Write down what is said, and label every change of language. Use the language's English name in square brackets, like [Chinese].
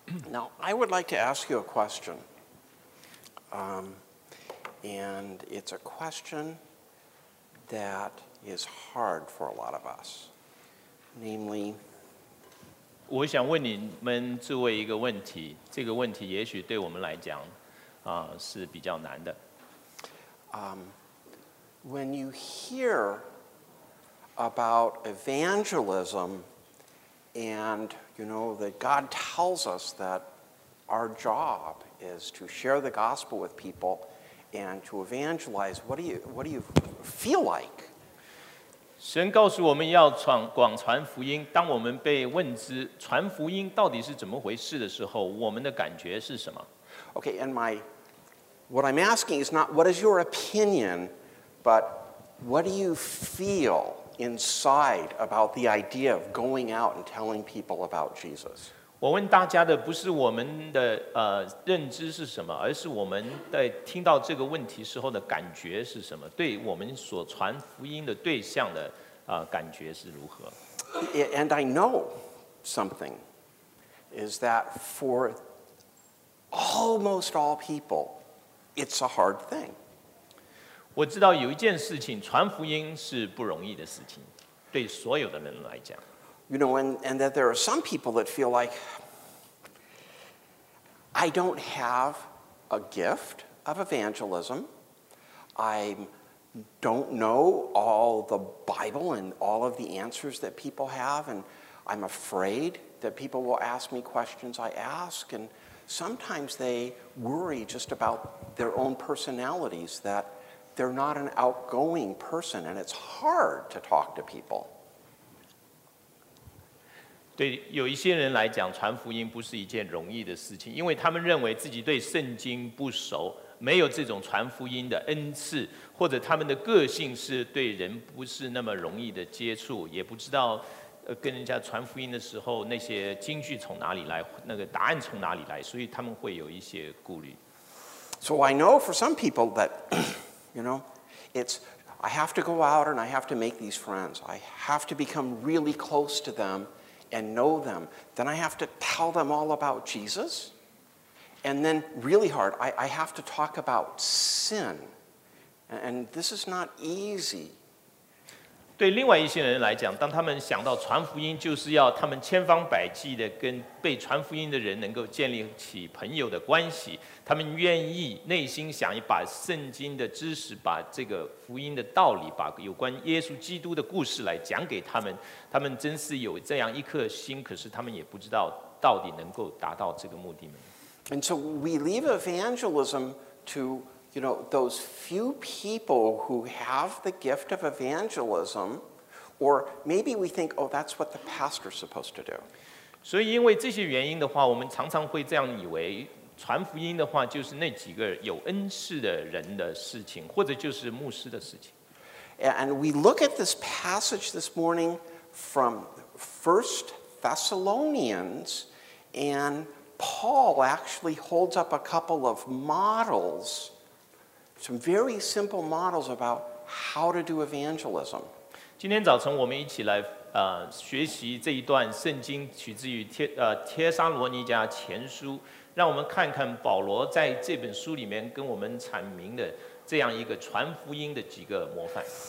[English] Now, I would like to ask you a question. And it's a question that is hard for a lot of us. Namely, [Chinese] 我想问你们诸位一个问题，这个问题也许对我们来讲，是比较难的。 [English] When you hear about evangelism and, you know, that God tells us that our job is to share the gospel with people and to evangelize, what do you feel like? [Chinese] 神告诉我们要广传福音，当我们被问之传福音到底是怎么回事的时候，我们的感觉是什么？ [English] Okay, and what I'm asking is not what is your opinion, but what do you feel inside about the idea of going out and telling people about Jesus? [Chinese] 我问大家的不是我们的认知是什么，而是我们在听到这个问题时候的感觉是什么，对我们所传福音的对象的感觉是如何。 [English] And I know something is that for almost all people, it's a hard thing. [Chinese] 我知道有一件事情，传福音是不容易的事情，对所有的人来讲。 [English] You know, and that there are some people that feel like, I don't have a gift of evangelism. I don't know all the Bible and all of the answers that people have. And I'm afraid that people will ask me questions I ask. And sometimes they worry just about their own personalities, that they're not an outgoing person. And it's hard to talk to people. [Chinese] 对有一些人来讲，传福音不是一件容易的事情，因为他们认为自己对圣经不熟，没有这种传福音的恩赐，或者他们的个性是对人不是那么容易的接触，也不知道跟人家传福音的时候那些经句从哪里来，那个答案从哪里来，所以他们会有一些顾虑。 [English] So I know for some people that, you know, it's I have to go out and I have to make these friends. I have to become really close to themand know them, then I have to tell them all about Jesus. And then, really hard, I have to talk about sin. And this is not easy. [Chinese] 对另外一些人来讲，当他们想到传福音，就是要他们千方百计的跟被传福音的人能够建立起朋友的关系。他们愿意内心想把圣经的知识，把这个福音的道理，把有关耶稣基督的故事来讲给他们。他们真是有这样一颗心，可是他们也不知道到底能够达到这个目的吗？ [English] And so we leave evangelism to, you know, those few people who have the gift of evangelism, or maybe we think, oh, that's what the pastor's supposed to do. [Chinese] 所以因为这些原因的话，我们常常会这样以为，传福音的话就是那几个有恩赐的人的事情，或者就是牧师的事情。 [English] And we look at this passage this morning from 1 Thessalonians, and Paul actually holds up a couple of models, some very simple models about how to do evangelism. [Chinese] 今天早晨我们一起来学习这一段圣经，取自于帖撒罗尼迦前书，让我们看看保罗在这本书里面跟我们阐明的这样一个传福音的几个模范。